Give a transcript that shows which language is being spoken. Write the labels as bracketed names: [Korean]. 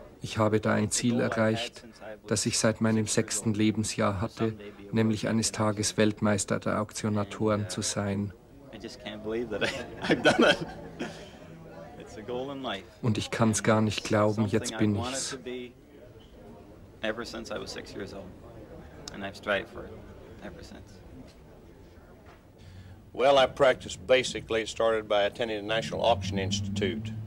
[German] Ich habe da ein Ziel erreicht, das ich seit meinem 6. Lebensjahr hatte, nämlich eines Tages Weltmeister der Auktionatoren zu sein. [English] I just can't believe that I've done it. It's a goal in life. [German] Und ich kann es gar nicht glauben, jetzt bin ich's. [English] Ever since I was 6 years old. And I've strived for it ever since. Well, I practiced basically, started by attending the National Auction Institute.